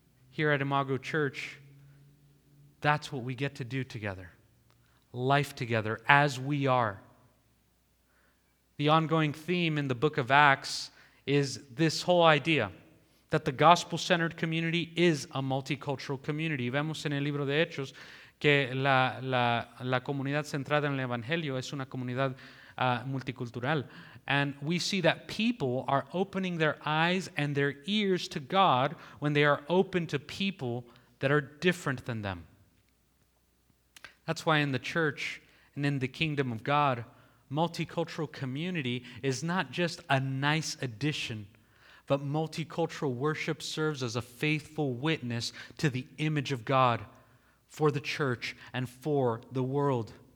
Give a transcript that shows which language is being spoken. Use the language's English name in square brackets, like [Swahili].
[English] Here at Imago Church, that's what we get to do together. Life together, as we are. The ongoing theme in the book of Acts is this whole idea that the gospel-centered community is a multicultural community. [Spanish] Vemos en el libro de Hechos que la comunidad centrada en el Evangelio es una comunidad multicultural. [English] And we see that people are opening their eyes and their ears to God when they are open to people that are different than them. That's why in the church and in the kingdom of God, multicultural community is not just a nice addition, but multicultural worship serves as a faithful witness to the image of God for the church and for the world.